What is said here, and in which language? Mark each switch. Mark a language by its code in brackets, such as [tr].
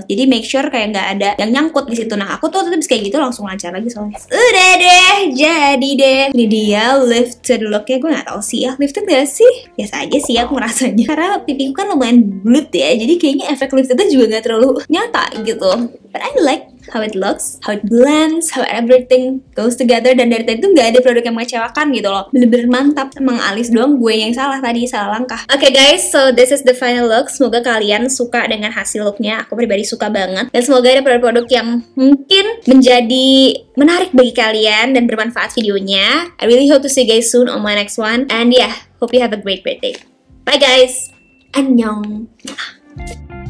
[id] Jadi make sure kayak enggak ada yang nyangkut di situ. Nah, aku tuh tetap kayak gitu langsung lancar lagi soalnya. Udah deh, jadi deh. Ini dia lifted look-nya. Gue enggak tahu sih ya, lifted enggak sih? Biasa aja sih aku ngerasanya. Karena pipiku kan lumayan bulat ya. Jadi kayaknya efek lifted-nya juga enggak terlalu nyata gitu. [en] But I like how it looks, how it blends, how everything goes together. [id] Dan dari tadi tuh gak ada produk yang mengecewakan gitu loh. Bener-bener mantap. Emang alis doang gue yang salah tadi, salah langkah. [en] Okay guys, so this is the final look. [id] Semoga kalian suka dengan hasil looknya. Aku pribadi suka banget. Dan semoga ada produk-produk yang mungkin menjadi menarik bagi kalian dan bermanfaat videonya. [en] I really hope to see you guys soon on my next one. And yeah, hope you have a great birthday. Bye guys, annyeong.